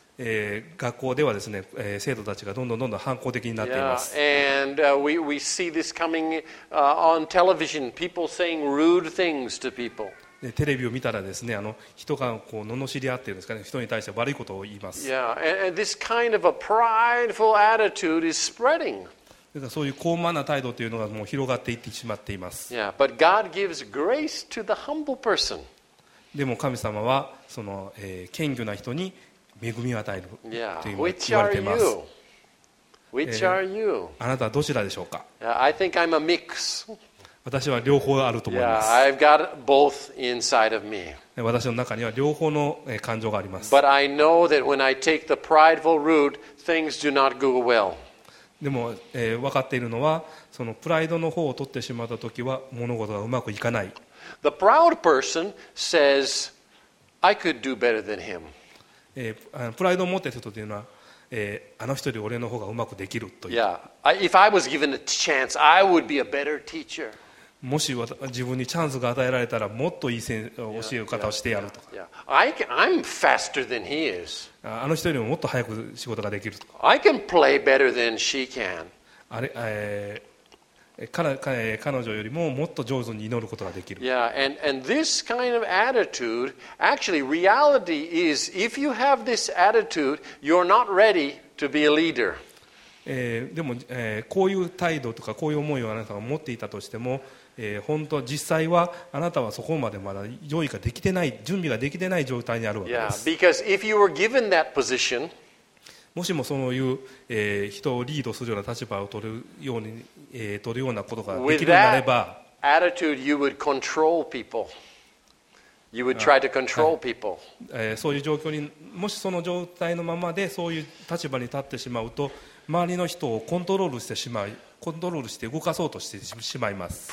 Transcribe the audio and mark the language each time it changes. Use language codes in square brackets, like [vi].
[ja] 学校ではですね、生徒たちがどんどんどんどん反抗的になっています。 [en] Yeah. And we see this coming on television. People saying rude things to people. [ja] テレビを見たらですね、人がこう罵り合っているんですかね、人に対して悪いことを言います。 [en] Yeah. And this kind of a prideful attitude is spreading. [ja] そういう高慢な態度というのがもう広がっていってしまっています。 [en] Yeah. But God gives grace to the humble person. [ja] でも神様はその、謙虚な人に恵みを与えるというふうに言われています。 [en] Which are you? [ja] あなたはどちらでしょうか。 [en] I think I'm a mix. [ja] 私は両方あると思います。 [en] Yeah, I've got both inside of me. [ja] 私の中には両方の感情があります。 [en] But I know that when I take the prideful route, things do not go well. [ja] でも、分かっているのはそのプライドの方を取ってしまったときは物事がうまくいかない。 [en] The proud person says, I could do better than him. [ja] プライドを持っている人というのは、あの人より俺の方がうまくできるという。 [en] Yeah. If I was given a chance, I would be a better teacher. [ja] もし自分にチャンスが与えられたらもっといい教え方をしてやるとか。 [en] I'm faster than he is. [ja] あの人よりももっと早く仕事ができるとか。 [en] I can play better than she can. [ja] あれ、彼女よりももっと上手に祈ることができる。 [en] Yeah, and this kind of attitude, actually reality is, if you have this attitude, you're not ready to be a leader. [ja] でも、こういう態度とかこういう思いをあなたが持っていたとしても、本当実際はあなたはそこまでまだ用意ができてない準備ができてない状態にあるわけです。 [en] Yeah, because if you were given that position, [ja] もしもそういう、人をリードするような立場を取るように、取るようなことができるようになれば、 [en] attitude, you would control people. You would try to control people. [ja] そういう状況にもしその状態のままでそういう立場に立ってしまうと周りの人をコントロールしてしまい、コントロールして動かそうとしてしまいます。